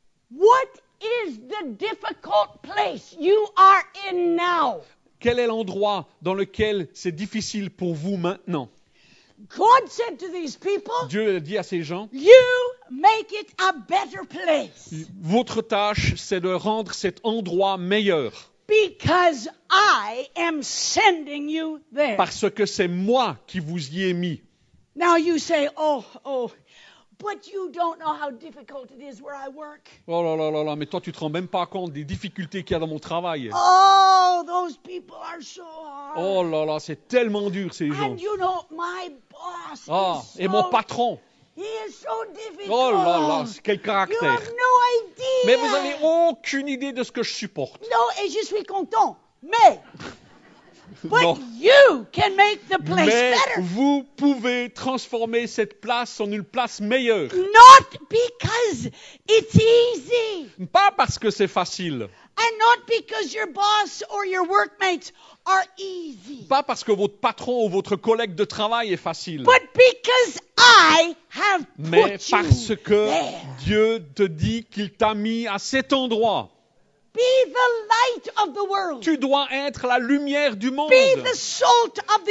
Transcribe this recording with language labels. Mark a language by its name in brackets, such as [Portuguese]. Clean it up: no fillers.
[English] What is the difficult place you are in now? [French] Quel est l'endroit dans lequel c'est difficile pour vous maintenant? [English] God said to these people, [French] Dieu dit à ces gens, [English] you make it a better place. [French] Votre tâche, c'est de rendre cet endroit meilleur. [English] Because I am sending you there. [French] Parce que c'est moi qui vous y ai mis. [English] Now you say, oh, But you don't know how difficult it is where I work. [French] Oh là là là là, mais toi tu te rends même pas compte des difficultés qu'il y a dans mon travail. [English] Oh, those people are so hard. [French] Oh là là, c'est tellement dur ces gens. [English] And you know my boss. [French] Ah, et [English] so, [French] mon patron. [English] He is so difficult. [French] Oh là là, quel caractère. [English] You have no idea. [French] Mais vous avez aucune idée de ce que je supporte. No, et je suis content. Mais but non. [English] You can make the place [French] mais [English] better. [French] Vous pouvez transformer cette place en une place meilleure. [English] Not because it's easy. [French] Pas parce que c'est facile. [English] And not because your boss or your workmates are easy. [French] Pas parce que votre patron ou votre collègue de travail est facile. [English] But because I have put you. [French] Mais parce que [English] there. [French] Dieu te dit qu'il t'a mis à cet endroit. [English] Be the light of the world. [French] Tu dois être la lumière du monde. [English] Be the salt of the